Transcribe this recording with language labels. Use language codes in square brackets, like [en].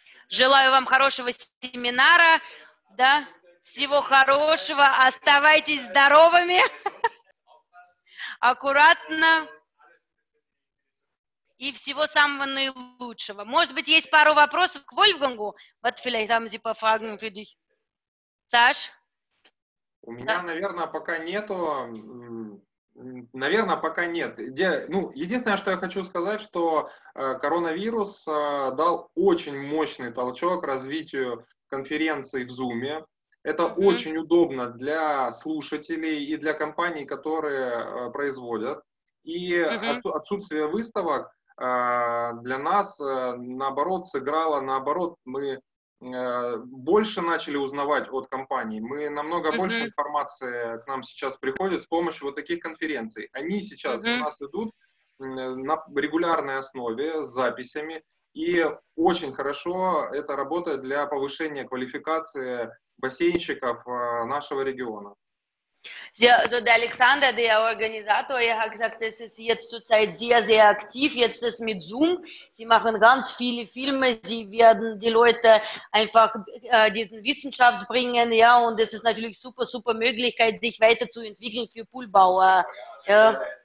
[ru] Желаю вам хорошего семинара, да, всего хорошего, оставайтесь здоровыми, аккуратно. И всего самого наилучшего. Может быть, есть пару вопросов к Вольфгангу? [de] Вот, vielleicht haben Sie ein paar Fragen für dich. [ru] Саш? У меня, наверное, пока нету. Наверное, пока нет. Единственное, что я хочу сказать, что коронавирус дал очень мощный толчок развитию конференции в Zoom'е. Это очень удобно для слушателей и для компаний, которые производят. И отсутствие выставок для нас, наоборот, сыграло, наоборот, мы больше начали узнавать от компаний, мы намного больше информации к нам сейчас приходит с помощью вот таких конференций. Они сейчас у нас идут на регулярной основе с записями, и очень хорошо это работает для повышения квалификации бассейнщиков нашего региона. [de] So der Alexander, der Organisator, er hat gesagt, es ist jetzt zurzeit sehr, sehr aktiv, jetzt ist mit Zoom, sie machen ganz viele Filme, sie werden die Leute einfach diesen Wissenschaft bringen, ja, und es ist natürlich super, super Möglichkeit, sich weiterzuentwickeln für Poolbauer, ja.